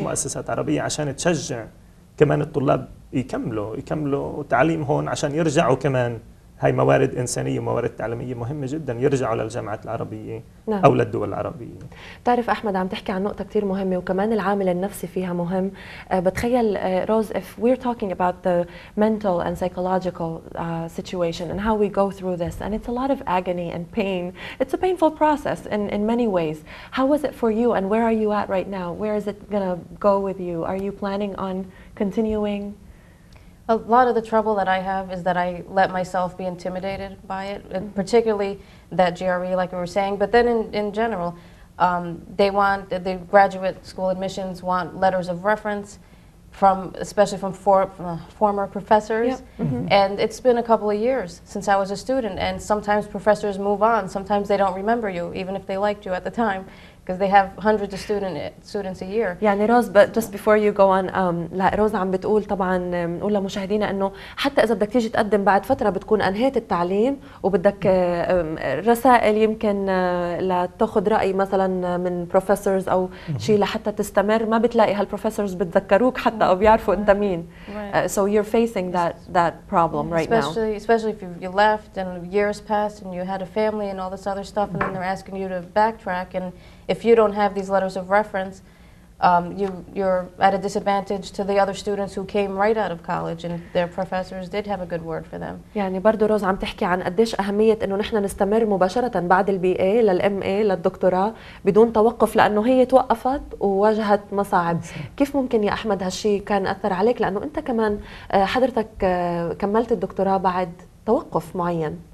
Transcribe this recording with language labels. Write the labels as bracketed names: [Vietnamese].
[Arabic] مش مؤسسات عربية عشان تشجع كمان الطلاب يكملوا تعليم هون عشان يرجعوا كمان. هاي موارد إنسانية وموارد تعليمية مهمة جدا, يرجعوا للجامعات العربية. نعم. أو للدول العربية. تعرف أحمد عم تحكي عن نقطة كتير مهمة وكمان العامل النفسي فيها مهم. بتخيل روز, [English] if we're talking about the mental and psychological situation and how we go through this, and it's a lot of agony and pain, it's a painful process in many ways. How was it for you and where are you at right now? Where is it gonna go with you? Are you planning on continuing? A lot of the trouble that I have is that I let myself be intimidated by it, particularly that GRE, like we were saying. But then in general, they want the graduate school admissions want letters of reference from, especially from former professors. Yep. Mm-hmm. And it's been a couple of years since I was a student, and sometimes professors move on. Sometimes they don't remember you, even if they liked you at the time. because they have hundreds of students a year. [Arabic] يعني روز, [English] but just before you go on, [Arabic] لا روز عم بتقول طبعاً نقول لمشاهدينا إنه حتى إذا بدك تيجي تقدم بعد فترة بتكون أنهيت التعليم وبدك رسائل يمكن لتأخذ رأي مثلاً من professors أو شيء لحتى تستمر ما بتلاقي هالprofessors بتذكروك حتى أو بيعرفوا أنت مين. [English] So you're facing that problem right now. Especially if you left and years passed and you had a family and all this other stuff and then they're asking you to backtrack and if you don't have these letters of reference, you're at a disadvantage to the other students who came right out of college and their professors did have a good word for them. [Arabic] يعني برضو روز عم تحكي عن قديش أهمية إنه نحن نستمر مباشرة بعد البي اي للإم اي للدكتوراه بدون توقف لأنه هي توقفت وواجهت مصاعب. كيف ممكن يا أحمد هالشي كان أثر عليك لأنه أنت كمان حضرتك كملت الدكتوراه بعد توقف معين؟